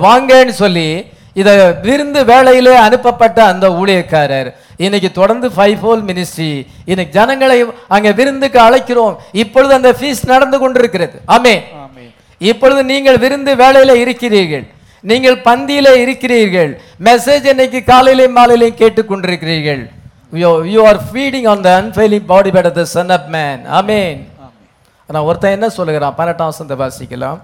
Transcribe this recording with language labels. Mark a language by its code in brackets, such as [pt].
[ta] வாங்கன்னு சொல்லி இதை விருந்து வேலையிலே அனுப்பப்பட்ட அந்த ஊழியக்காரர் இன்னைக்கு தொடர்ந்து ஃபைவ்ஃபோல் மினிஸ்ட்ரி இன்னைக்கு ஜனங்களை அங்கே விருந்துக்கு அழைக்கிறோம். இப்பொழுது அந்த ஃபீஸ் நடந்து கொண்டிருக்கிறது. ஆமே. இப்பொழுது நீங்கள் விருந்து வேலையில் இருக்கிறீர்கள், நீங்கள் பந்தியில் இருக்கிறீர்கள், மெசேஜ் இன்னைக்கு காலையிலையும் மாலையிலையும் கேட்டுக் கொண்டிருக்கிறீர்கள். [en] You are feeding on the unfailing body bread of the Son of Man. Amen. [ta] ஆனா ஒருத்தன் என்ன சொல்லுகிறான், 18 வசனத்தை வாசிக்கலாம்.